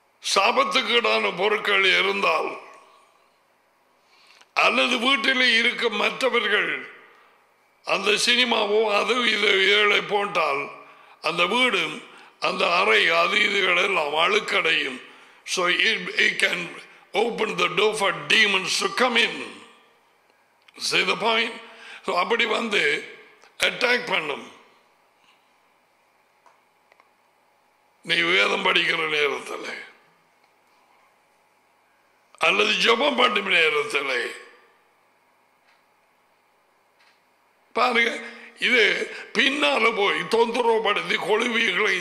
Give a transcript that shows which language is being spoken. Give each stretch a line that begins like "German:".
Tamil: சாபத்துக்கீடான பொருட்கள் இருந்தால் அல்லது வீட்டில் இருக்கும் மற்றவர்கள் அந்த சினிமாவோ அது இதை போட்டால் அந்த வீடும் அந்த அறை அது இதுகள் எல்லாம் அழுக்கடையும்.
English: So it can open the door for demons to come in. See the point?
Tamil: So அப்படி வந்து அட்டாக் பண்ணும். நீ வேதம் படிக்கிற நேரத்தில் அல்லது ஜபம் பண்ணும் நேரத்தில் பாருங்க, இது பின்னால போய் தொந்தரவுபடுத்தி கொழுவீர்கள்.